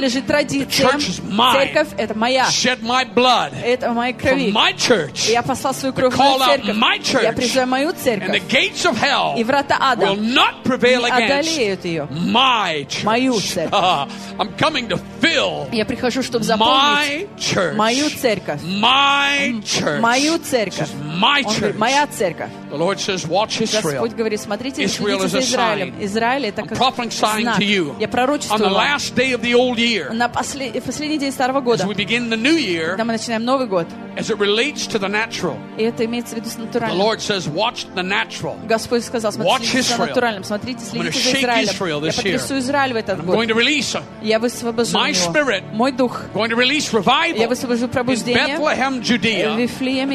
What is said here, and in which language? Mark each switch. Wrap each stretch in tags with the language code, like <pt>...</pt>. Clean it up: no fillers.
<en>The church is mine. Shed my blood for my church. To call out my church. And the gates of hell will not prevail against my church. I'm coming to fill</en> <ru>чтобы запомнить мою церковь. Мою церковь. Моя церковь.</ru> <en>The Lord says, watch Israel.</en> <ru>Господь говорит, смотрите за Израилем. Израиль — это как знак. Я пророчествую вам. На последний день старого года, когда мы начинаем новый год,</ru> <en>as it relates to the natural, the Lord says, watch the natural. Watch Israel. I'm going to shake Israel this year. I'm going to release my spirit. I'm going to release revival in Bethlehem, Judea.</en>